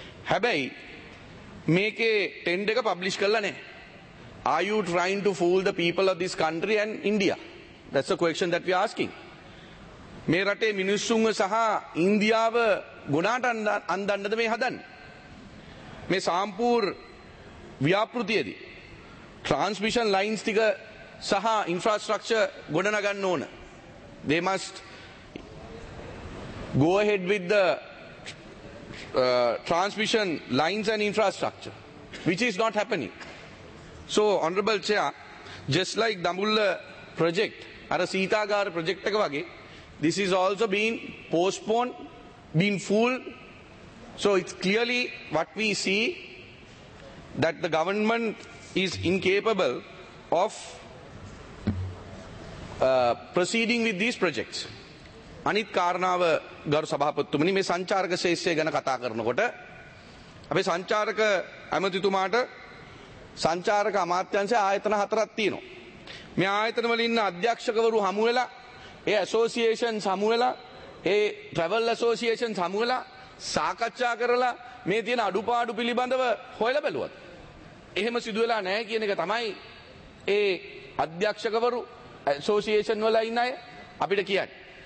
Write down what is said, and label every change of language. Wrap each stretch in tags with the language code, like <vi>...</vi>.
<si>හැබැයි මේකේ ටෙන්ඩර් එක පබ්ලිෂ් කරලා නැහැ.</si> <en>Are you trying to fool the people of this country and India? That's the question that we're asking.</en> <si>මේ රටේ මිනිස්සුන්ව සහ ඉන්දියාව ගොනාට අන්දන්නද මේ හදන්නේ? මේ සම්පූර් ව්‍යාපෘතියේදී ට්‍රාන්ස්මිෂන් ලයින්ස් ටික සහ ඉන්ෆ්‍රාස්ට්‍රක්චර් ගොඩනගන්න ඕන.</si> <en>They must go ahead with the transmission lines and infrastructure, which is not happening. So, Honorable Chair, just like Dambulla project, or a Sitagar project, this is also being postponed, being fooled. So it's clearly what we see, that the government is incapable of proceeding with these projects.</en> <si>අනිත් කාරණාව ගරු සභාපතිතුමනි, මේ සංචාරක ශේෂය ගැන කතා කරනකොට අපේ සංචාරක ඇමතිතුමාට සංචාරක අමාත්‍යාංශයේ ආයතන හතරක් තියෙනවා. මේ ආයතන වල ඉන්න අධ්‍යක්ෂකවරු හමු වෙලා, ඒ ඇසෝසියේෂන් හමු වෙලා, ඒ ට්‍රැවල් ඇසෝසියේෂන් හමු වෙලා සාකච්ඡා කරලා මේ තියෙන අඩුපාඩු පිළිබඳව හොයලා බලුවත් එහෙම සිදුවෙලා නැහැ කියන එක තමයි ඒ අධ්‍යක්ෂකවරු ඇසෝසියේෂන් වල ඉන්න අය අපිට කියන්නේ.</si>